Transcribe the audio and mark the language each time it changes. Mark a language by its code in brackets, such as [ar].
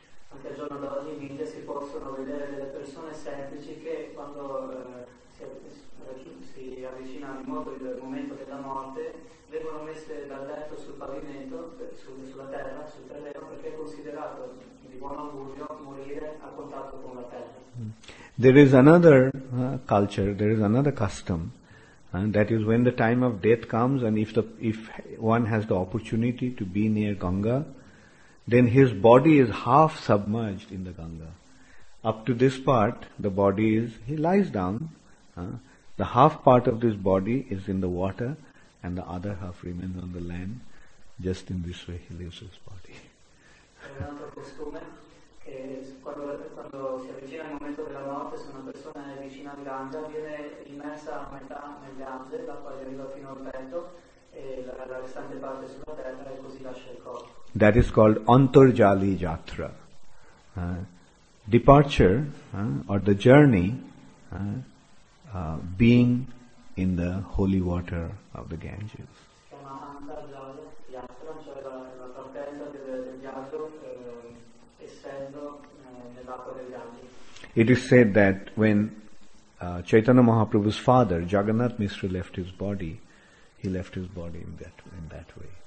[it] Anche al giorno d'oggi in India si possono vedere delle persone semplici che quando si avvicinano in modo il momento della morte vengono messe dal letto sul pavimento, sulla terra, sul terreno, perché è considerato di buon augurio morire a contatto con la terra. [en] There is another culture, there is another custom, and that is when the time of death comes, and if one has the opportunity to be near Ganga, then his body is half submerged in the Ganga. Up to this part, the body is, he lies down, the half part of this body is in the water, and the other half remains on the land. Just in this way he leaves his body. [it] Quando si avvicina il momento della morte, se una persona è vicina al Ganga, viene immersa a metà nel Ganga, la quale arriva fino al petto, e la restante parte sulla terra, e così lascia il corpo. [en] That is called Antarjali Jatra. Departure, or the journey, being in the holy water of the Ganges. [it] Si chiama Antarjali Jatra, cioè la partenza del viaggio, essendo nell'acqua del Ganges. [en] It is said that when Chaitanya Mahaprabhu's father, Jagannath Mishra, left his body, he left his body in that way.